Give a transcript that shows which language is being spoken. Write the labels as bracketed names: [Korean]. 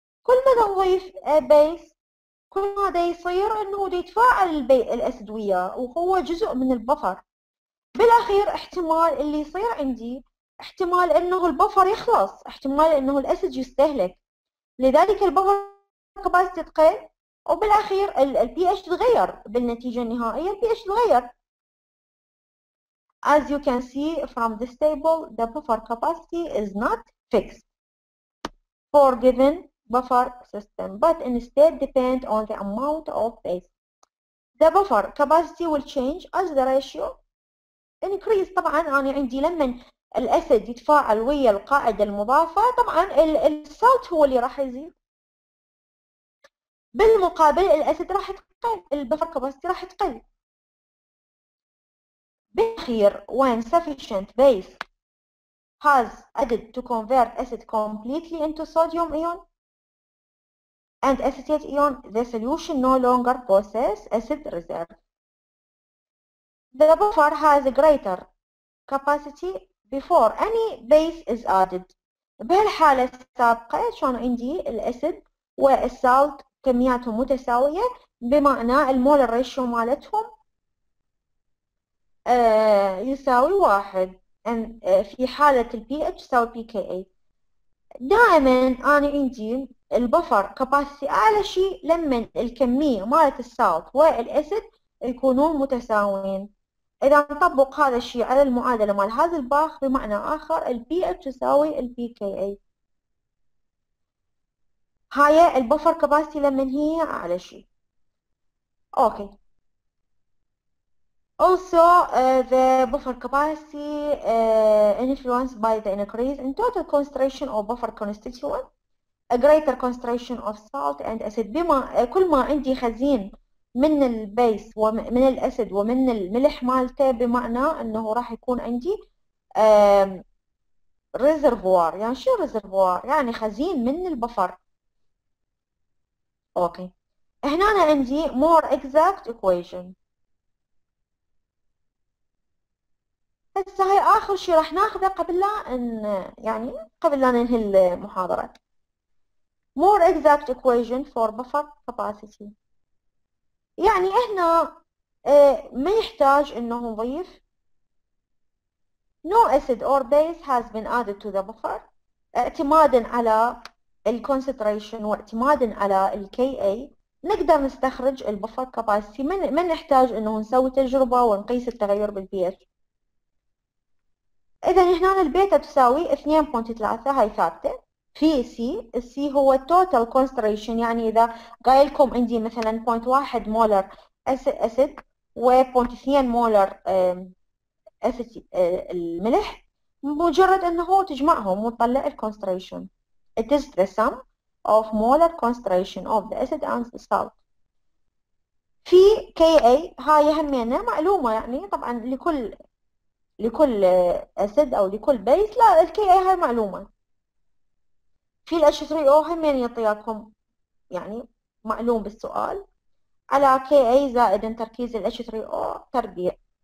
[Arabic] كل ما نضيف بيس كل ما دا يصير انه دا يتفاعل الاسيد وياه وهو جزء من البفر. بالاخير احتمال اللي يصير عندي احتمال انه البفر يخلص، احتمال انه الاسيد يستهلك، لذلك البفر كباسيتي تقل وبالاخير البي اتش تغير. بالنتيجه النهائيه البي اتش تغير. [English] As you can see from this table, the buffer capacity is not fixed for given buffer system, but instead depend on the amount of base. The buffer capacity will change as the ratio increase. [Arabic] طبعا انا عندي لما الاسيد يتفاعل ويا القاعده المضافه طبعا السالت هو اللي راح يزيد. بالمقابل الاسيد راح تقل، البفر كاباسيتي راح تقل. بالاخير [English] when sufficient base has added to convert acid completely into sodium ion and acetate ion, the solution no longer possesses acid reserve. The buffer has a greater capacity before any base is added. [Arabic] بهالحالة السابقة شلون عندي الأسيد والسالت كمياتهم متساوية، بمعنى المول ريشيو مالتهم يساوي واحد. And في حالة الـ pH يساوي pKa. دائما أنا عندي البفر كاباسيتي أعلى شيء لما الكمية مالت السالت والأسيد يكونون متساويين. إذا نطبق هذا الشيء على المعادلة مال هذا الباخ بمعنى آخر الـ pH يساوي الـ pKa. هاي البفر كاباسيتي لما هي أعلى شيء. أوكي. [English] Also the buffer capacity influenced by the increase in total concentration of buffer constituent, a greater concentration of salt and acid. [Arabic] بما كل ما عندي خزين من البيس ومن الأسيد ومن الملح مالته، بمعنى أنه راح يكون عندي ريزرفوار. يعني شو ريزرفوار؟ يعني خزين من البفر. أوكي. هنا أنا عندي [English] more exact equation. [Arabic] هسه هاي اخر شيء راح ناخذه قبل لا ان يعني قبل لا ننهي المحاضره. [English] More exact equation for buffer capacity. [Arabic] يعني احنا ما يحتاج انه نضيف. [English] No acid or base has been added to the buffer [Arabic] اعتمادا على الconcentration واعتمادا على ال [English] Ka. [Arabic] نقدر نستخرج البفر كاباسيتي، ما نحتاج انه نسوي تجربه ونقيس التغير بالبيئة. إذا هنا البيتا تساوي 2.3 هاي ثابتة في سي. السي هو total concentration، يعني إذا قايلكم عندي مثلا 0.1 مولر أسيد و 0.2 مولر أسيد الملح، مجرد أنه تجمعهم وتطلع الconcentration. [English] It is the sum of molar concentration of the acid and the salt. [Arabic] في Ka هاي همينة معلومة، يعني طبعا لكل أسيد أو لكل بيس، لا الـ Ka هاي معلومة. في الـ H3O همين يعطيكم يعني معلوم بالسؤال، على Ka زائد تركيز الـ H3O تربيع.